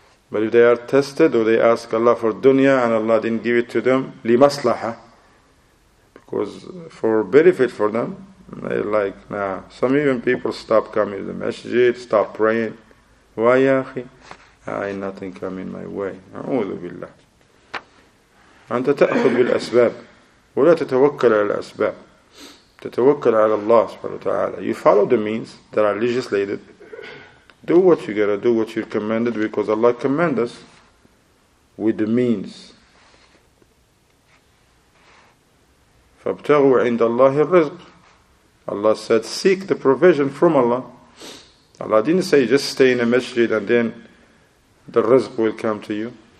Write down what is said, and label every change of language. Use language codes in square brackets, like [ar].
[en] But if they are tested, or they ask Allah for dunya, and Allah didn't give it to them, لِمَصْلَحَ, because for benefit for them, they like, nah. Some even people stop coming to the masjid, stop praying. Why, ya akhi? I nothing come in my way. [ar] أعوذ بالله. أنت تأخذ بالأسباب ولا تتوكل على الأسباب. تتوكل على الله سبحانه وتعالى. [en] You follow the means that are legislated. Do what you gotta do, what you're commanded, because Allah commands us with the means. [ar] فابتغوا عند الله الرزق. [en] Allah said, seek the provision from Allah. Allah didn't say, just stay in a masjid and then the rizq will come to you.